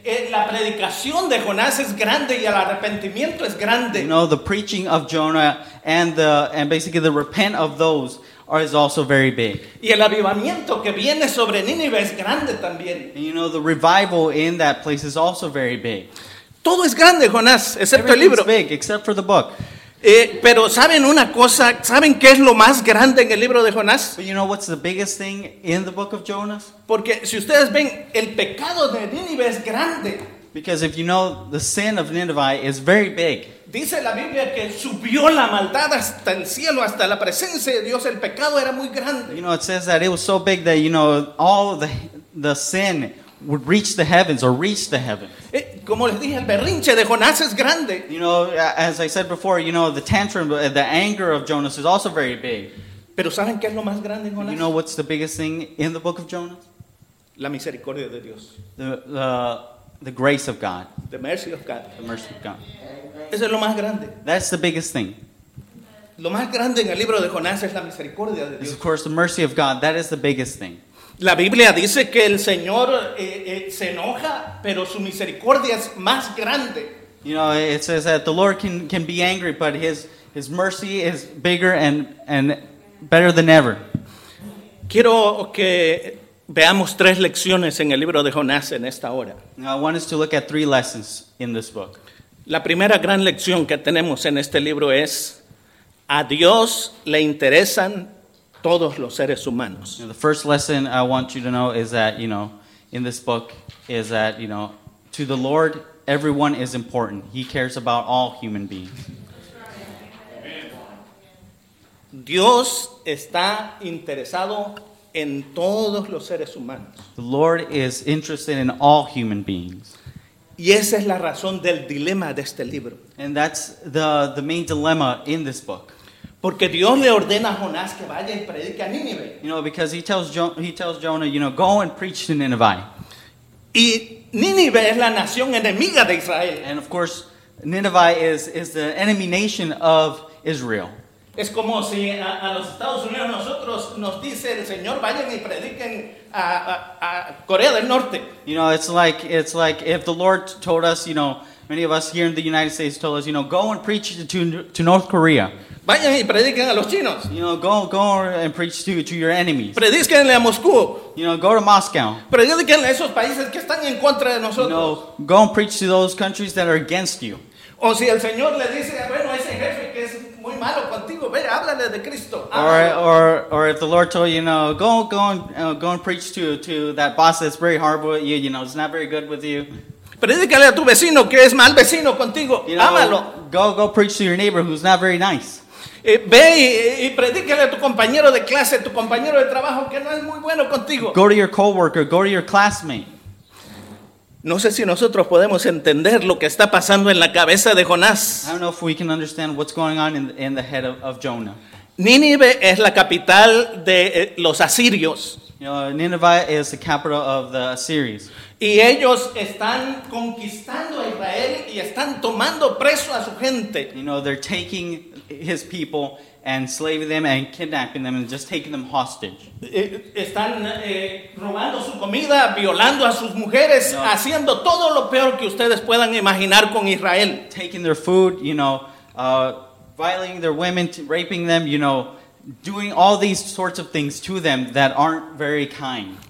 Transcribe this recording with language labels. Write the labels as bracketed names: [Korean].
[Spanish] La predicación de Jonás es grande y el arrepentimiento es grande. [English] You know, the preaching of Jonah and basically the repent of those is also very big. [Spanish] Y el avivamiento que viene sobre Nínive es grande también. [English] And, you know, the revival in that place is also very big. [Spanish] Todo es grande, Jonás, excepto el libro. [English] Big, except for the book. [Spanish] Pero ¿saben una cosa? ¿Saben qué es lo más grande en el libro de Jonás? [English] But you know what's the biggest thing in the book of Jonah? [Spanish] Porque si ustedes ven, el pecado de Nínive es grande. [English] Because if you know, the sin of Nineveh is very big. [Spanish] Dice la Biblia que subió la maldad hasta el cielo, hasta la presencia de Dios. El pecado era muy grande. [English] You know, it says that it was so big that, you know, all the sin would reach the heavens or reach the heavens. [Spanish] Como les dije, el berrinche de Jonás es grande. [English] You know, as I said before, you know, the tantrum, the anger of Jonas is also very big. [Spanish] Pero ¿saben qué es lo más grande en Jonás? [English] You know what's the biggest thing in the book of Jonas? [Spanish] La misericordia de Dios. [English] The grace of God. The mercy of God. The mercy of God. [Spanish] Eso es lo más grande. [English] That's the biggest thing. [Spanish] Lo más grande en el libro de Jonás es la misericordia de Dios. [English] Of course, the mercy of God, that is the biggest thing. [Spanish] La Biblia dice que el Señor se enoja, pero su misericordia es más grande. [English] You know, it says that the Lord can be angry, but his mercy is bigger and better than ever. [Spanish] Quiero que veamos tres lecciones en el libro de Jonás en esta hora. [English] Now, I want us to look at three lessons in this book. [Spanish] La primera gran lección que tenemos en este libro es, a Dios le interesan todos los seres humanos. [English] You know, the first lesson I want you to know is that, you know, in this book, is that, you know, to the Lord, everyone is important. He cares about all human beings. [Spanish] Dios está interesado en todos los seres humanos. [English] The Lord is interested in all human beings. [Spanish] Y esa es la razón del dilema de este libro. [English] And that's the main dilemma in this book. [Spanish] Porque Dios le ordena a Jonás que vaya y predique a Nínive. [English] You know, because he tells Jonah, you know, go and preach to Nineveh. [Spanish] Y Nínive es la nación enemiga de Israel. [English] And of course, Nineveh is the enemy nation of Israel. [Spanish] Es como si a los Estados Unidos nosotros nos dice el Señor, vayan y prediquen a Corea del Norte. [English] You know, it's like if the Lord told us, you know, many of us here in the United States told us, you know, go and preach to North Korea. [Spanish] Vayan y prediquen a los chinos. [English] You know, go and preach to your enemies. [Spanish] Predíquenle a Moscú. [English] You know, go to Moscow. [Spanish] Predíquenle a esos países que están en contra de nosotros. [English] You know, go and preach to those countries that are against you. [Spanish] O si el Señor le dice, bueno, ese jefe que es muy malo contigo, ve, háblale de Cristo. [English] Or if the Lord told you, you know, go and preach to that boss that's very hard with you, you know, it's not very good with you. [Spanish] Predícale a tu vecino que es mal vecino contigo, [English] you know, [Spanish] ámalo. [English] Go preach to your neighbor who's not very nice. [Spanish] Ve y predícale a tu compañero de clase, tu compañero de trabajo que no es muy bueno contigo. [English] Go to your coworker, go to your classmate. [Spanish] No sé si nosotros podemos entender lo que está pasando en la cabeza de Jonás. [English] I don't know if we can understand what's going on in the head of Jonah. [Spanish] Nínive es la capital de los asirios. [English] You know, Nineveh is the capital of the Assyrians. [Spanish] Y ellos están conquistando a Israel y están tomando preso a su gente. [English] You know, they're taking his people and enslaving them and kidnapping them and just taking them hostage. [Spanish] Están robando su comida, violando a sus mujeres, you know, haciendo todo lo peor que ustedes puedan imaginar con Israel. [English] Taking their food, you know, violating their women, raping them, you know, doing all these sorts of things to them that aren't very kind.